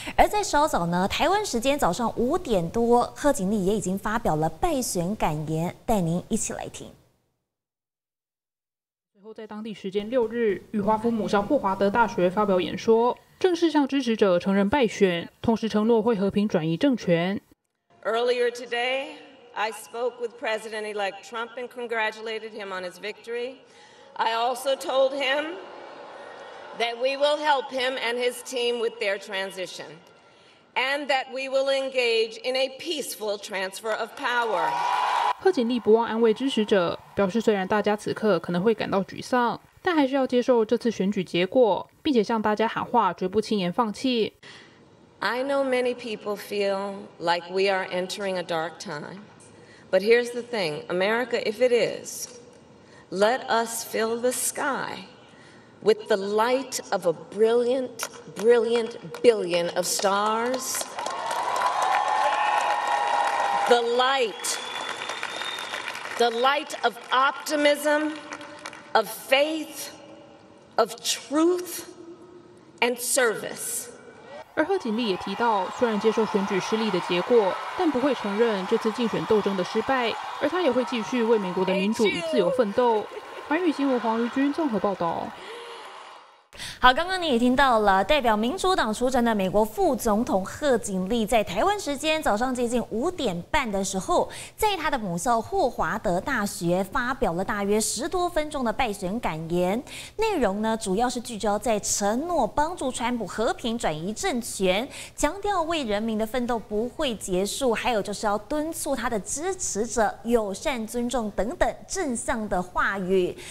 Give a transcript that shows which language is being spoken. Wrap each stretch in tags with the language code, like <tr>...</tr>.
<zh>而在稍早呢，台湾时间早上5点多，贺锦丽也已经发表了败选感言，带您一起来听。在当地时间6日，与华府母校霍华德大学发表演说，正式向支持者承认败选，同时承诺会和平转移政权。</zh> <en>Earlier today, I spoke with President-elect Trump and congratulated him on his victory. I also told him that we will help him and his team with their transition, and that we will engage in a peaceful transfer of power.</en> <zh>贺锦丽不忘安慰支持者，表示虽然大家此刻可能会感到沮丧，但还是要接受这次选举结果，并且向大家喊话，绝不轻言放弃。</zh> <en>I know many people feel like we are entering a dark time, but here's the thing, America, if it is, let us fill the sky with the light of a brilliant, brilliant billion of stars. The light of optimism, of faith, of truth, and service.</en> <zh>而贺锦丽也提到，虽然接受选举失利的结果，但不会承认这次竞选斗争的失败，而她也会继续为美国的民主与自由奋斗。环宇新闻黄瑜君综合报道。好，刚刚你也听到了，代表民主党出征的美国副总统贺锦丽，在台湾时间早上接近5点半的时候，在他的母校霍华德大学发表了大约10多分钟的败选感言，内容呢主要是聚焦在承诺帮助川普和平转移政权，强调为人民的奋斗不会结束，还有就是要敦促他的支持者友善尊重等等正向的话语。</zh>